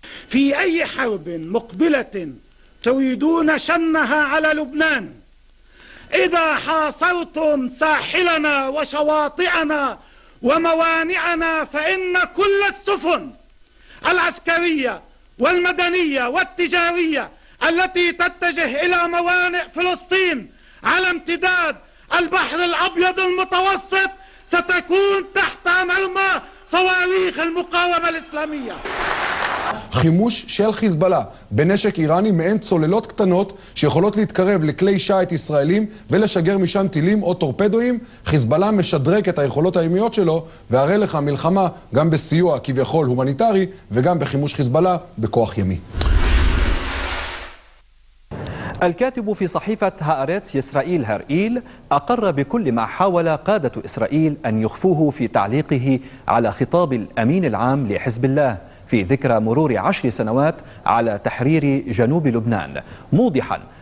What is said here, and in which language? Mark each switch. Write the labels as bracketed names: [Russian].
[Arabic] في أي حرب مقبلة تريدون شنها على لبنان؟ إذا حاصرتم ساحلنا وشواطئنا وموانعنا فإن كل السفن العسكرية والمدنية والتجارية التي تتجه إلى موانئ فلسطين على امتداد البحر الأبيض المتوسط ستكون تحت مرمى صواريخ المقاومة الإسلامية. [Hebrew] חימוש של חיזבאללה בנשק איראני מעין צוללות קטנות שיכולות להתקרב לכלי שיט ישראלים ולשגר משם טילים או טורפדואים. חיזבאללה משדרק את היכולות הימיות שלו והרי לך מלחמה גם בסיוע כביכול הומניטרי וגם בחימוש חיזבאללה בכוח ימי. [Arabic] الكاتب في صحيفة هارتس إسرائيل هرئيل أقر بكل ما حاول قادة إسرائيل أن يخفوه في تعليقه على خطاب الأمين العام لحزب الله في ذكرى مرور 10 سنوات على تحرير جنوب لبنان، موضحا